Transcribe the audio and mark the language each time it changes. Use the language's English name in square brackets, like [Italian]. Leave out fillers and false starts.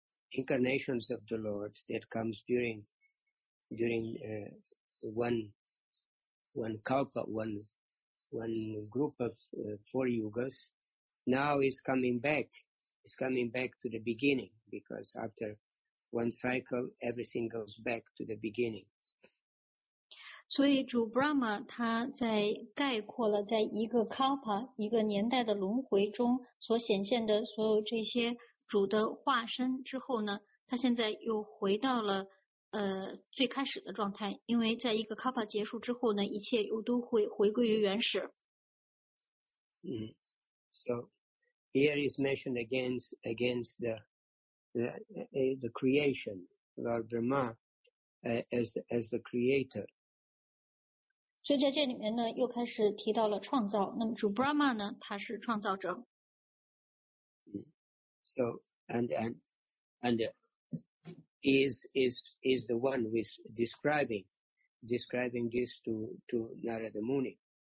[English] incarnations of the Lord that comes during one group of four yugas, now is coming back to the beginning, because after one cycle, everything goes back to the beginning. [Chinese] 所以主 Brahma 他在概括了在一个 Kalpa 一个年代的轮回中所显现的所有这些主的化身之后呢，他现在又回到了最开始的状态，因为在一个 Kalpa 结束之后呢，一切又都会回归于原始。 [English] So here is mentioned against the creation, Lord Brahma as the creator. [Chinese] 所以在这里面呢，又开始提到了创造。那么主 Brahma 呢，他是创造者。 [English] So and is the one with describing this to Narada Muni.